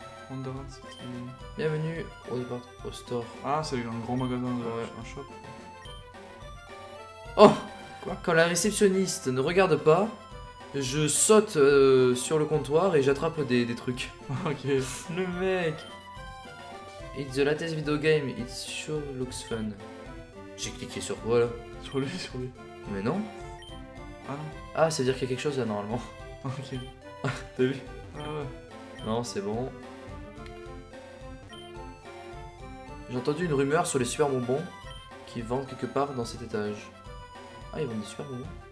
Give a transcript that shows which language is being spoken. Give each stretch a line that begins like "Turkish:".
French: Wonderland, hein City. Bienvenue au départ au store. Ah c'est un gros magasin de... Ouais. Un shop. Oh! Quoi? Quand la réceptionniste ne regarde pas, je saute sur le comptoir et j'attrape des trucs. Ok. Le mec!
English: It's the latest video game, it sure looks fun.
French: J'ai cliqué sur quoi là? Sur lui. Mais non? Ah non. Ah, ça veut dire qu'il y a quelque chose là normalement. Ok. T'as vu? Ah ouais. Non, c'est bon. J'ai entendu une rumeur sur les super bonbons qui vendent quelque part dans cet étage. Ah, ils vont des super bonbons.